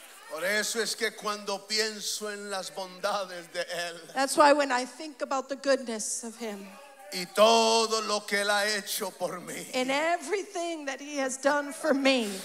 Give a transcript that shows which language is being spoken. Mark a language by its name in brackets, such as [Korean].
[Spanish] Por eso es que cuando pienso en las bondades de él. [English] That's why when I think about the goodness of him. [Spanish] Y todo lo que él ha hecho por mí. [English] And everything that he has done for me.